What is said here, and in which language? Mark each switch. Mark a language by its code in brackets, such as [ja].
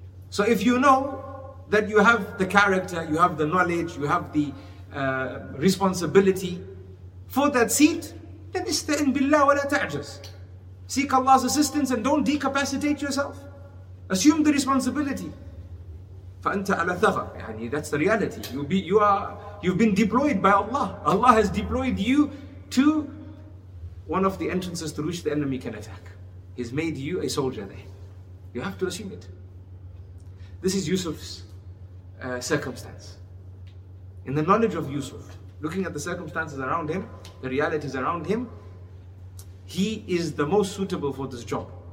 [en] So if you know that you have the character, you have the knowledge, you have the responsibility for that seat, then [ar] استعن بالله ولا تعجز. [en] Seek Allah's assistance and don't decapacitate yourself. Assume the responsibility. [ar] فأنت على ثغر, يعني [en] that's the reality. You've been deployed by Allah. Allah has deployed you to one of the entrances through which the enemy can attack. He's made you a soldier there. You have to assume it. This is Yusuf's circumstance. In the knowledge of Yusuf, looking at the circumstances around him, the realities around him, he is the most suitable for this job.